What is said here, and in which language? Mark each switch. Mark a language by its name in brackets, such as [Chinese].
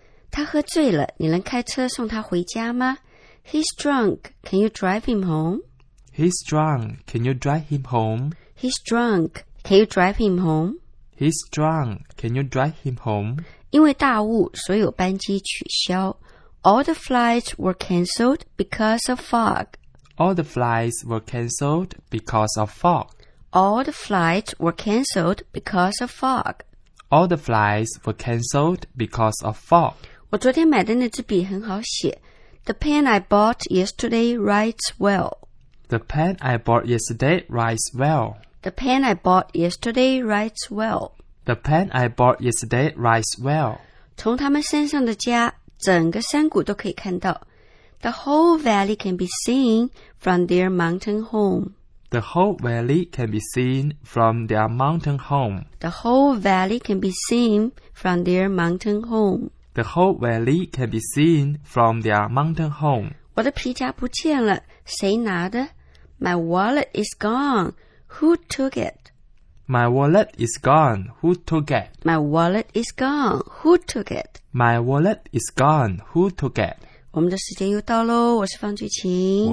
[Chinese] 他喝醉了，你能开车送他回家吗？ [English] He's drunk. Can you drive him home? He's drunk. Can you drive him home? He's drunk. Can you drive him home? He's drunk. Can you drive him home? [Chinese] 因为大雾，所有班机取消。 [English] All the flights were cancelled because of fog. All the flights were cancelled because of fog. All the flights were cancelled because of fog. All the flights were cancelled because of fog. [Chinese] 我昨天买的那支笔很好写。 [English] The pen I bought yesterday writes well. The pen I bought yesterday writes well. The pen I bought yesterday writes well. The pen I bought yesterday writes well. [Chinese] 从他们身上的家。整个山谷都可以看到。 [English] The whole valley can be seen from their mountain home. The whole valley can be seen from their mountain home. The whole valley can be seen from their mountain home. The whole valley can be seen from their mountain home. [Chinese] 我的皮夹不见了，谁拿的？ [English] My wallet is gone. Who took it? My wallet is gone. Who took it? My wallet is gone. Who took it? My wallet is gone. Who took it? [Chinese] 我们的时间又到咯，我是方俊琴，